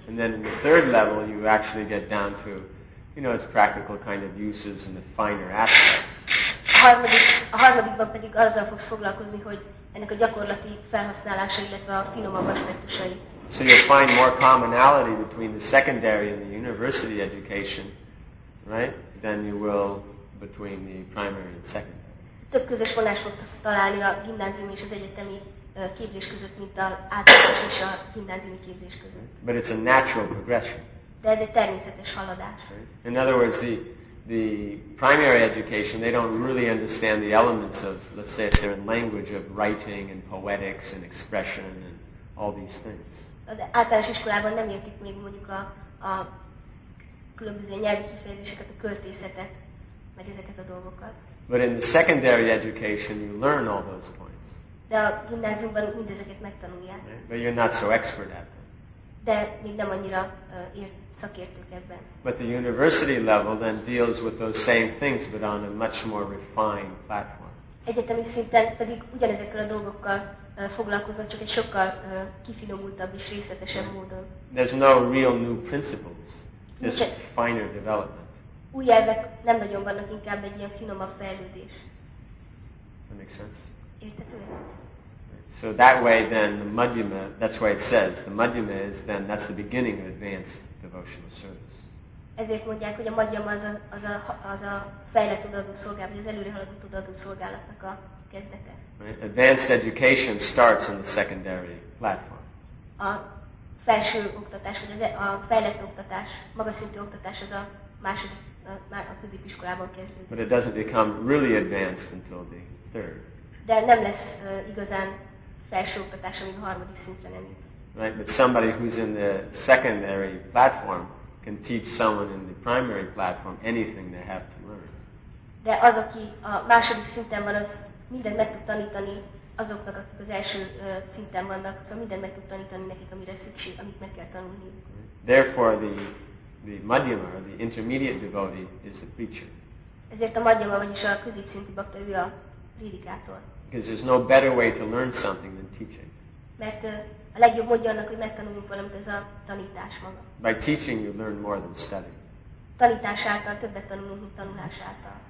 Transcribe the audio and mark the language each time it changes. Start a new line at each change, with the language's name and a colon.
English: And then in the third level you actually get down to, you know, its practical kind of uses and the finer aspects.
Hungarian: A harmadikban pedig azzal fogsz foglalkozni, hogy ennek a gyakorlati felhasználása, illetve a finomabb aspektusai.
English: So you'll find more commonality between the secondary and the university education, right? Than you will between the primary and secondary.
Hungarian: Több közös vonást fogsz találni a gimnázium és az egyetemi képzés között, mint az általános és a gimnáziumi képzés között.
English: But it's a natural progression.
Hungarian: De ez egy természetes haladás.
English: In other words, the primary education, they don't really understand the elements of, let's say, if they're in language, of writing and poetics and expression and all these things.
Hungarian: De általános iskolában nem értik még mondjuk a különböző nyelvi kifejezéseket, a költészetet, meg ezeket a dolgokat.
English: But in the secondary education, you learn all those points.
Hungarian: De a gimnáziumban mindezeket megtanulják.
English: But you're not so expert at them.
Hungarian: De még nem annyira szakértők ebben.
English: But the university level then deals with those same things, but on a much more refined platform.
Hungarian: Egyetemi szinten pedig ugyanezekkel a dolgokkal foglalkoznak, csak egy sokkal kifinomultabb és részletesebb módon.
English: There's no real new principles. Just finer development.
Hungarian: Új elvek nem nagyon vannak, inkább egy ilyen finomabb fejlődés.
English: That makes sense.
Hungarian: Értető?
English: So that way then the Madhyama, that's why it says, the Madhyama is then, that's the beginning of advanced devotional service.
Hungarian: Ezért mondják, hogy a Madhyama az a fejlett tudatú szolgálat, vagy az előre haladó tudatú szolgálatnak a kezdete.
English: Right? Advanced education starts on the secondary platform.
Hungarian: A felső oktatás, vagy a fejlett oktatás, magas szintű oktatás az a második, már a középiskolában kezdődik.
English: But it doesn't become really advanced until the third.
Hungarian: De nem lesz igazán felső oktatás, amíg a harmadik szinten nem.
English: Right, but somebody who's in the secondary platform can teach someone in the primary platform anything they have to learn.
Hungarian: De az, aki a második szinten van, az mindent meg tud tanítani azoknak, akik az első szinten vannak, szóval mindent meg tud tanítani nekik, amire szükség, amit meg kell tanulni.
English: Therefore the Madhyama, the intermediate devotee is the preacher.
Hungarian: Ezért a Madhyama, vagyis a középszintű bhakta, ő a prédikátor.
English: Because there's no better way to learn something than teaching.
Hungarian: Mert a legjobb módja annak, hogy megtanuljunk valamit, ez a tanítás maga.
English: By teaching you learn more than study.
Hungarian: Tanítás által többet tanulunk, mint tanulás által.